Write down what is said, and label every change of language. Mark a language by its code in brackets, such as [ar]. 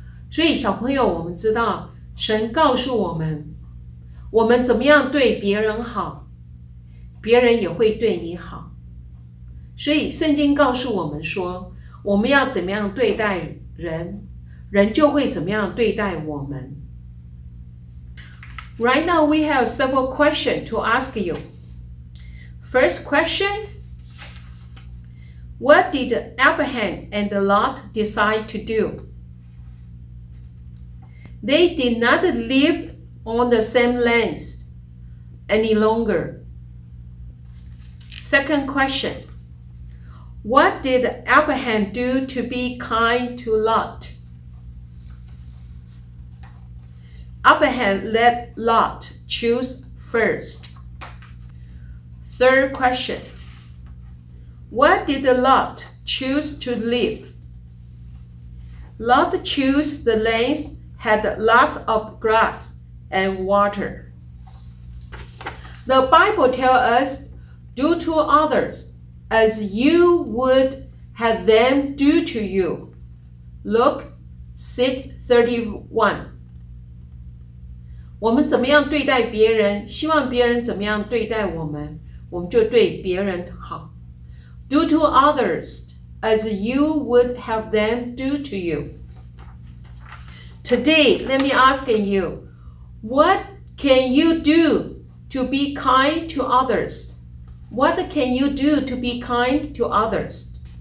[zh] 所以小朋友，我们知道神告诉我们，我们怎么样对别人好，别人也会对你好。所以圣经告诉我们说，我们要怎么样对待人，人就会怎么样对待我们。 [en] Right now we have several questions to ask you. First question, what did Abraham and Lot decide to do? They did not live on the same lands any longer. Second question,What did Abraham do to be kind to Lot? Abraham let Lot choose first. Third question. Where did Lot choose to live? Lot chose the lands had lots of grass and water. The Bible tells us, do to others. As you would have them do to you. Luke 6:31. [zh] 我们怎么样对待别人，希望别人怎么样对待我们，我们就对别人好。 [en] Do to others as you would have them do to you. Today, let me ask you, what can you do to be kind to others? What can you do to be kind to others?